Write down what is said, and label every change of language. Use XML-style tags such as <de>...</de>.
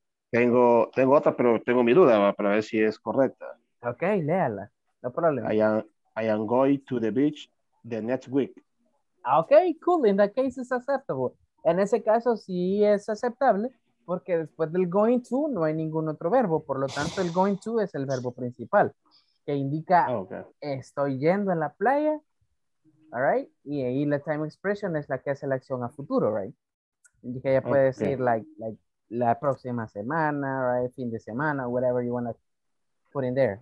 <es>Tengo otra, pero tengo mi duda, para ver si es correcta. Ok, léala, no problema.</es> <en>I am going to the beach the next week. Ok, cool, in that case is acceptable.</en> <es>En ese caso sí es aceptable. Porque después del going to no hay ningún otro verbo. Por lo tanto, el going to es el verbo principal. Que indica, okay, estoy yendo a la playa. All right? Y ahí la time expression es la que hace la acción a futuro. Right? Indica, ya puede decir, okay, like la próxima semana, right? Fin de semana,</es> <en>whatever you want to put in there.</en>